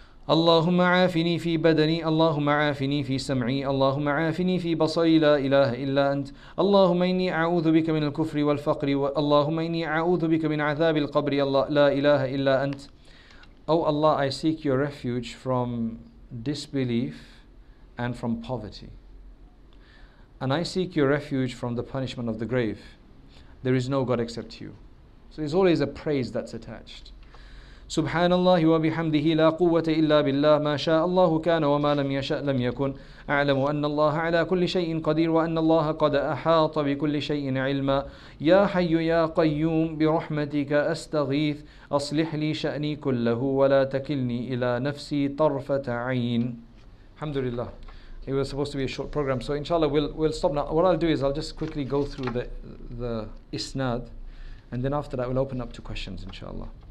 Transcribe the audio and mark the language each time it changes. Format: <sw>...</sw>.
<ar>اللهم عافني في بدني اللهم عافني في سمعي اللهم عافني في بصري لا إله إلا أنت اللهم إني أعوذ بك من الكفر والفقر اللهم إني أعوذ بك من عذاب القبر لا إله إلا أنت</ar> <en>Oh Allah, I seek your refuge from disbelief and from poverty. And I seek your refuge from the punishment of the grave. There is no God except you. So it's always a praise that's attached.</en> <ar>سبحان الله وبحمده لا قوة إلا بالله ما شاء الله كان وما لم يشأ لم يكن أعلم أن الله على كل شيء قدير وأن الله قد أحاط بكل شيء علما يا حي يا قيوم برحمتك أستغيث أصلح لي شأني كله ولا تكلني إلى نفسي طرفة عين. الحمد لله.</ar> <en>It was supposed to be a short program, so inshallah we'll stop now. What I'll do is I'll just quickly go through the isnad, and then after that we'll open up to questions inshallah.</en>